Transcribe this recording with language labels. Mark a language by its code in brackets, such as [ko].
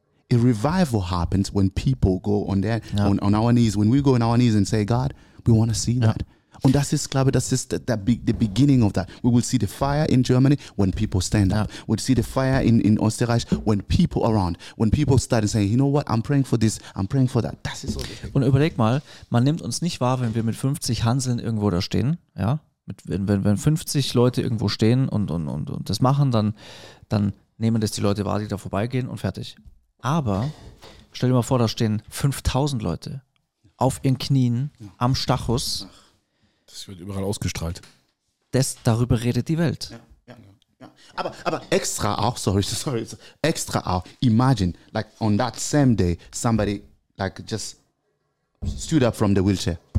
[en] A revival happens when people go on there, on our knees, when we go on our knees and say, God, we want to see that. [de] Und das ist, glaube ich, das ist [en] the beginning of that. We will see the fire in Germany when people stand up. We'll see the fire in Österreich when people around. When people start saying, you know what, I'm praying for this, I'm praying for that. [de] Das ist so. Und überleg mal, man nimmt uns nicht wahr, wenn wir mit 50 Hanseln irgendwo da stehen. Ja? Wenn 50 Leute irgendwo stehen und das machen, dann nehmen das die Leute wahr, die da vorbeigehen und fertig. Aber stell dir mal vor, da stehen 5000 Leute auf ihren Knien am Stachus. Das wird überall ausgestrahlt. Darüber redet die Welt. Ja. Aber extra auch, [en] sorry, [de] extra auch, [en] imagine, like on that same day, somebody like just stood up from the wheelchair.